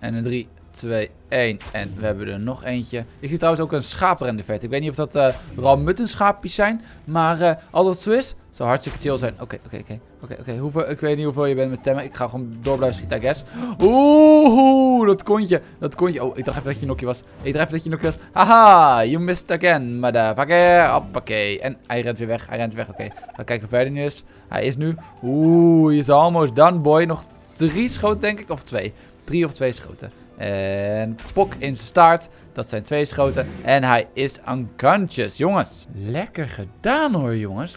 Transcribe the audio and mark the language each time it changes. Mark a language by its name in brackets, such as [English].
[Dutch] En een 3, 2, 1. En we hebben er nog eentje. Ik zie trouwens ook een schaap er in de verte. Ik weet niet of dat vooral muttenschaapjes zijn. Maar als dat zo is, zou hartstikke chill zijn. Oké. Ik weet niet hoeveel je bent met temmen. Ik ga gewoon door blijven schieten, [English] I guess. [Dutch] Oeh, dat kontje. Oh, ik dacht even dat je nokje was. [English] Haha, you missed again, motherfucker. [Dutch] Hoppakee. En hij rent weer weg. Oké. We kijken verder nu eens. Hij is nu. Oeh, [English] he's almost done, boy. [Dutch] Nog 3 schoten, denk ik. Of 2. 3 of 2 schoten. En pok in zijn staart. Dat zijn 2 schoten. En hij is unconscious, jongens. Lekker gedaan hoor, jongens.